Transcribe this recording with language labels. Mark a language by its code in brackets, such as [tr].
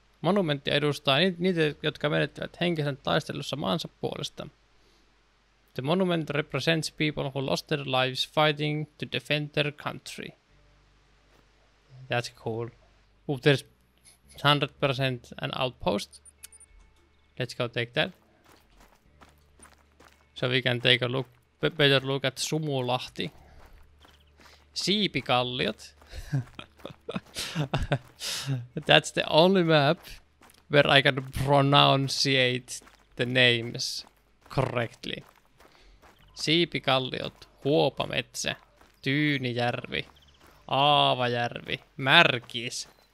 [fi] Monumentti edustaa niitä, jotka menettivät henkisen taistelussa maansa puolesta. [en] The monument represents people who lost their lives fighting to defend their country. That's cool. Oh, there's 100% an outpost. Let's go take that. So we can take a look, better look at Sumulahti. Siipikalliot. That's the only map where I can pronunciate the names correctly. Siipikalliot, Huopametsä, Tyynijärvi, Aavajärvi, Märkis.